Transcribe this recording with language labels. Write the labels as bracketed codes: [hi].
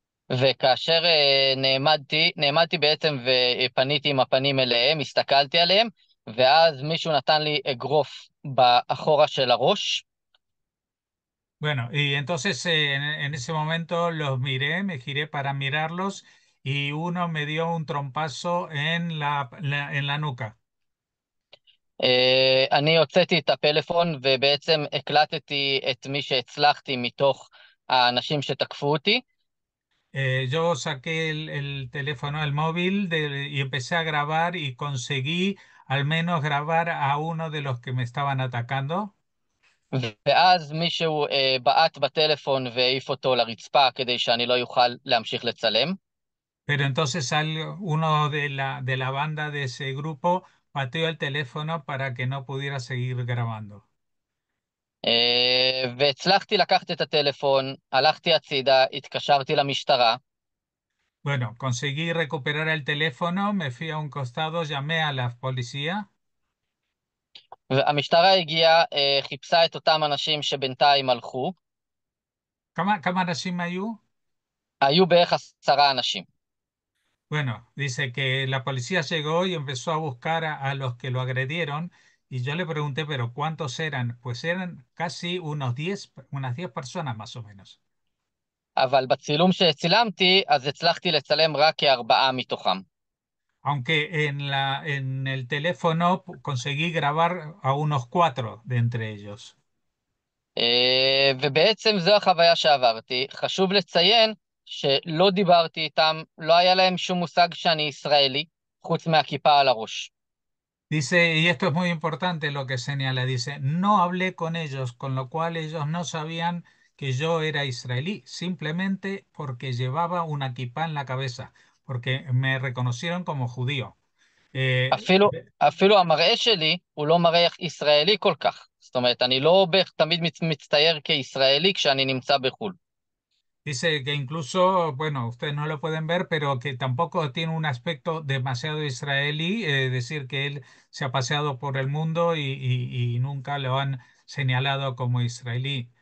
[he] וכאשר נעמדתי בעצם ופניתי עם הפנים אליהם, הסתכלתי עליהם, ואז מישהו נתן לי אגרוף באחורה של הראש. [es] Bueno, y entonces en ese momento los miré, me giré para mirarlos y uno me dio un trompazo en la nuca. [he] אני הוצאתי את הפלאפון ובעצם הקלטתי את מי שהצלחתי מתוך האנשים שתקפו אותי. [es] Yo saqué el teléfono, el móvil y empecé a grabar y conseguí al menos grabar a uno de los que me estaban atacando. [he] ואז מישהו בעט בטלפון והעיף אותו לרצפה כדי שאני לא יוכל להמשיך לצלם. [es] Pero entonces uno de la banda de ese grupo pateó el teléfono para que no pudiera seguir grabando. [he] והצלחתי לקחת את הטלפון, הלכתי הצידה, התקשרתי למשטרה. [es] Bueno, conseguí recuperar el teléfono, me fui a un costado, llamé a la policía. [he] והמשטרה הגיעה, חיפשה את אותם אנשים שבינתיים הלכו. [es] ¿Cómo nacimos ahí? [he] היו בערך 10 אנשים. [es] Bueno, dice que la policía llegó y empezó a buscar a los que lo agredieron y yo le pregunté, pero ¿cuántos eran? Pues eran casi unas 10 personas más o menos. [he] אבל בצילום שצילמתי, אז הצלחתי לצלם רק כ-4 מתוכם. [es] Aunque en el teléfono conseguí grabar a unos 4 de entre ellos. [he] ובעצם זו החוויה שעברתי. חשוב לציין שלא דיברתי איתם, לא היה להם שום מושג שאני ישראלי, חוץ מהכיפה על הראש. [es] Dice, y esto es muy importante lo que señala, dice, no hablé con ellos, con lo cual ellos no sabían que yo era israelí, simplemente porque llevaba una kipá en la cabeza, porque me reconocieron como judío. [he] אפילו המראה שלי הוא לא מראה ישראלי כל כך. זאת אומרת, אני לא תמיד מצטייר כישראלי כשאני נמצא בחו"ל. [es] Dice que incluso, bueno, ustedes no lo pueden ver, pero que tampoco tiene un aspecto demasiado israelí, decir que él se ha paseado por el mundo y nunca lo han señalado como israelí.